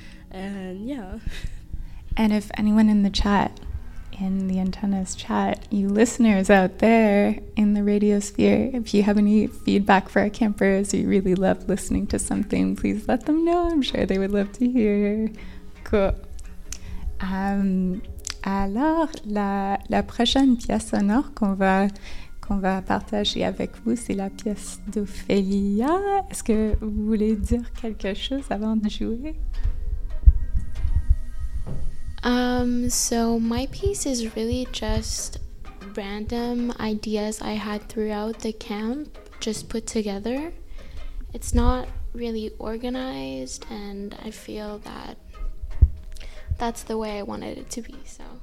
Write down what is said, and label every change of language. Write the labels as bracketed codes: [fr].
[en] And yeah. And if anyone in the chat, in the antennas chat, you listeners out there in the radio sphere, if you have any feedback for our campers, or you really love listening to something, please let them know. I'm sure they would love to hear. Cool. [fr] Alors, la prochaine pièce sonore qu'on va partager avec vous, c'est la pièce d'Ophélia. Est-ce que vous voulez dire quelque chose avant de jouer? [en] So my piece is really just random ideas I had throughout the camp, just put together. It's not really organized, and I feel that that's the way I wanted it to be, so.